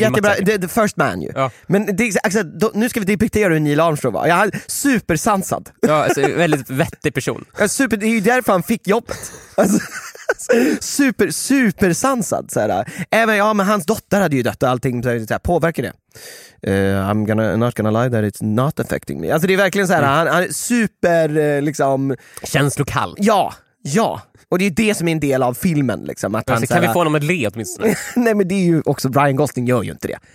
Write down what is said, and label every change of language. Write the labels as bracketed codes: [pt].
[sv] Jättebra, the First Man ju. Ja. Men nu ska vi depiktera hur Neil Armstrong var. Ja, han är supersansad. Ja, alltså, väldigt vettig person. Ja, super, det är ju därför han fick jobbet. supersansad. Även, ja, men hans dotter hade ju dött och allting såhär, påverkar det. [en] I'm not gonna lie that it's not affecting me. [sv] Alltså det är verkligen så här han är super liksom känslokall. Ja, ja. Och det är ju det som är en del av filmen liksom, att han, kan såhär, vi få honom ett led åtminstone. Nej, men det är ju också Ryan Gosling gör ju inte det.